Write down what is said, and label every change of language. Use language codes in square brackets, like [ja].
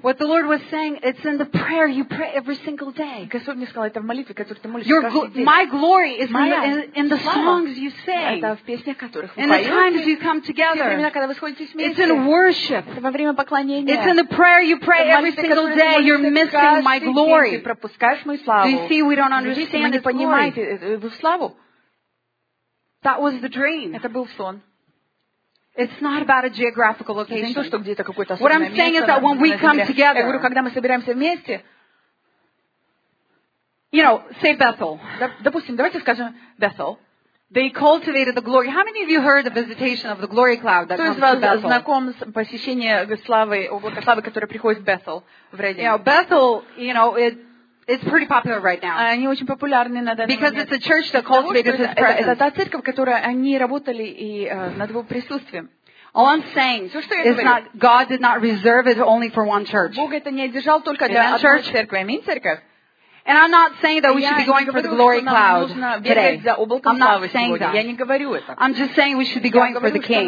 [en] What the Lord was saying, it's in the prayer you pray every single day. [ru] Господь мне сказал, это в молитве, которую ты молишься каждый день. [en] My glory is in the songs you sing. [ru] Это в песнях, которых вы поете. [en] In the times you come together. [ru] Во времена, когда вы сходитесь вместе. [en] It's in worship. [ru] Во время поклонения. [en] It's in the prayer you pray every single day. You're missing my glory. [ru] Ты пропускаешь мою славу. [en] Do you see, we don't understand the glory. [ru] Мы не понимаем эту славу. [en] That was the dream. [ru] Это был сон. [en] It's not about a geographical location. [ru] Не то, что где-то какое-то особое место. [en] What I'm saying is that when we come together, [ru] я говорю, когда мы собираемся вместе, [en] you know, say Bethel. [ru] Допустим, давайте скажем Bethel. [en] They cultivated the glory. How many of you heard the visitation of the glory cloud that comes to Bethel? [ru] Кто из вас знаком с посещением славы, облака славы, которое приходит в Bethel в Редине? [en] You know, Bethel, you know, it's pretty popular right now. [ru] Они очень популярны на данный момент. [en] Because it's a church that cultivated his presence. [ru] Это та церковь, которая они работали и над его присутствием. [en] All I'm saying is not God did not reserve it only for one church. [ru] Бог это не одержал только для одной церкви. Аминь, церковь. [en] And I'm not saying that we should be going for the glory cloud today. I'm not saying that. [ru] Я не говорю это. [en] I'm just saying we should be going for the king.